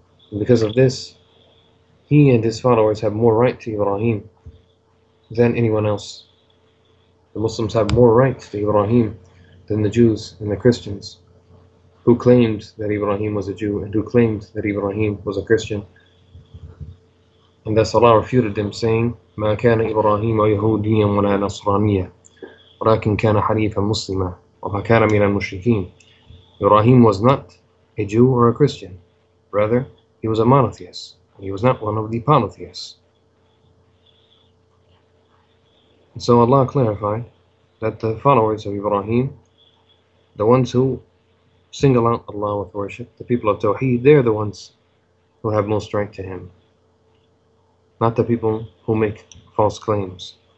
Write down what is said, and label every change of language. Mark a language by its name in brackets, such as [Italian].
[English] And because of this, he and his followers have more right to Ibrahim than anyone else. The Muslims have more right to Ibrahim than the Jews and the Christians, who claimed that Ibrahim was a Jew and who claimed that Ibrahim was a Christian. And thus Allah refuted them, saying, [Arabic] مَا كَانَ إِبْرَاهِيمَ يَهُودِيًا وَلَا نَصْرَانِيًا وَلَكِنْ كَانَ حَنِيفًا مُسْلِمًا وَفَكَانَ مِنَ الْمُشْرِكِينَ. [English] Ibrahim was not a Jew or a Christian. Rather, he was a monotheist. He was not one of the polytheists. And so Allah clarified that the followers of Ibrahim, the ones who single out Allah with worship, the people of Tawheed, they're the ones who have most right to him, not the people who make false claims.